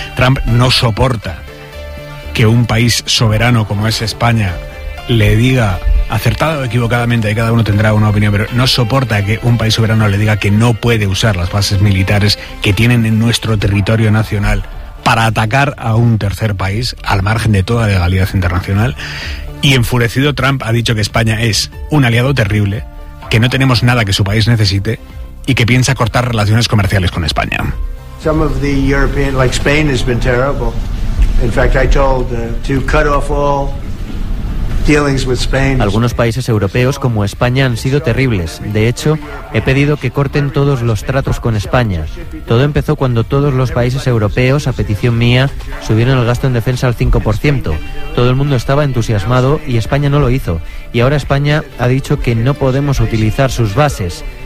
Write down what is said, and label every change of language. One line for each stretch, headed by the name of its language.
Spanish: Trump no soporta que un país soberano como es España le diga, acertado o equivocadamente, cada uno tendrá una opinión, pero no soporta que un país soberano le diga que no puede usar las bases militares que tienen en nuestro territorio nacional para atacar a un tercer país, al margen de toda legalidad internacional. Y enfurecido, Trump ha dicho que España es un aliado terrible, que no tenemos nada que su país necesite y que piensa cortar relaciones comerciales con España.
English: Some of the European, like Spain, has been terrible. In fact, I told to cut off all dealings with Spain.
Spanish: Algunos países europeos como España han sido terribles. De hecho, he pedido que corten todos los tratos con España. Todo empezó cuando todos los países europeos, a petición mía, subieron el gasto en defensa al 5%. Todo el mundo estaba entusiasmado y España no lo hizo. Y ahora España ha dicho que no podemos utilizar sus bases.